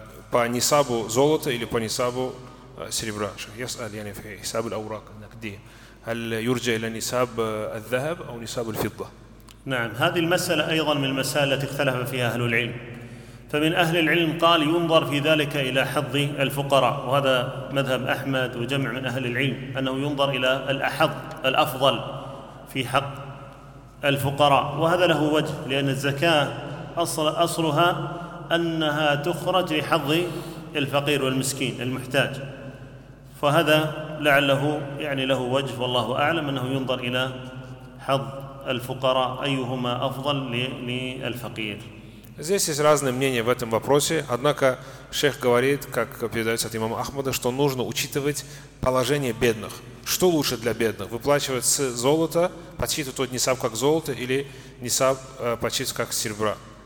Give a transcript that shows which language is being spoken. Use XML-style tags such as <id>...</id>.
<ru>по нисабу золота или по нисабу серебра.</ru> <ar>يسأل يعني في حساب الأوراق النقدية هل يرجع إلى نساب الذهب أو نساب الفضة؟ نعم، هذه المسألة أيضا من المسائل التي اختلف فيها أهل العلم. فمن أهل العلم قال ينظر في ذلك إلى حظ الفقراء، وهذا مذهب أحمد وجمع من أهل العلم أنه ينظر إلى الأحظ الأفضل في حق الفقراء، وهذا له وجه، لأن الزكاة أصلها أنها تخرج لحظ الفقير والمسكين المحتاج، فهذا لعله يعني له وجه، والله أعلم، أنه ينظر إلى حظ الفقراء أيهما أفضل للفقير.</ar> <ru>Здесь есть разные мнения в этом вопросе, однако шейх говорит, как передается от имама Ахмада, что нужно учитывать положение бедных. Что лучше для бедных? Выплачивать с золота, подсчитывать тот нисаб как золото или нисаб подсчитывать как серебра?</ru>